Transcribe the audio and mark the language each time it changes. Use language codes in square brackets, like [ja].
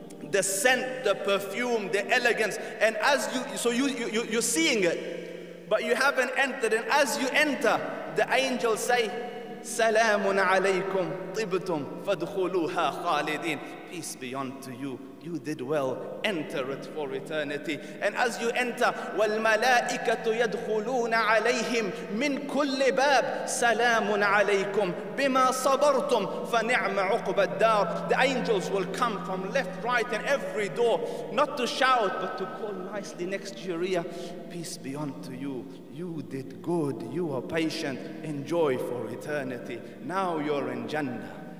[en] The scent, the perfume, the elegance. And as you're seeing it, but you haven't entered. And as you enter, the angels say, [ar] Salamun alaykum, tibtum, fadkhuluha khalidin. [en] Peace be unto you, you did well, enter it for eternity. And as you enter, [ar] وَالْمَلَائِكَةُ يَدْخُلُونَ عَلَيْهِمْ مِنْ كُلِّ بَابٍ سَلَامٌ عَلَيْكُمْ بِمَا صَبَرْتُمْ فَنِعْمَ عُقْبَ الدَّارِ. [en] The angels will come from left, right, and every door, not to shout, but to call nicely next to your ear, peace be unto you. You did good, you are patient, enjoy for eternity. Now you're in Jannah.